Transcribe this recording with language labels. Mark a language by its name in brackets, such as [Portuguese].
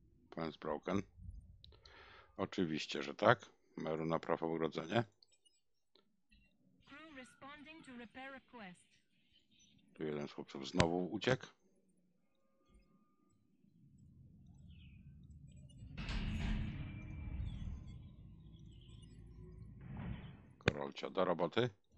[English] Guns Broken. [Polish] Oczywiście, że tak. Meru naprawa ogrodzenie. [English] Crew responding to repair request. [Polish] Tu jeden z chłopców znowu uciekł. Korolcia do roboty.